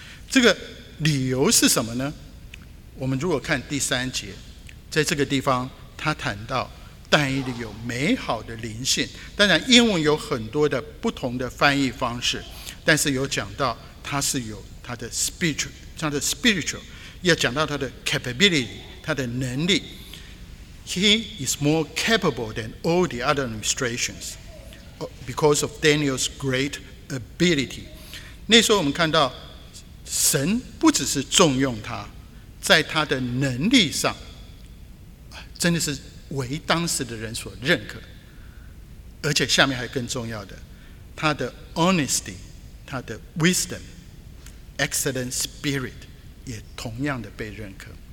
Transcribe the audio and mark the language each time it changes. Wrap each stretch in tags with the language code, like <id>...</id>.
<zh>这个理由是什么呢？我们如果看第三节，在这个地方他谈到但以理有美好的灵性，当然英文有很多的不同的翻译方式，但是有讲到他是有他的 spiritual， 要讲到他的 capability， 他的能力。</zh> <en>He is more capable than all the other administrations because of Daniel's great ability。</en> <zh>那时候我们看到神不只是重用他，在他的能力上真的是为当时的人所认可，而且下面还更重要的，他的 honesty， 他的 wisdom， excellent spirit 也同样的被认可。</zh>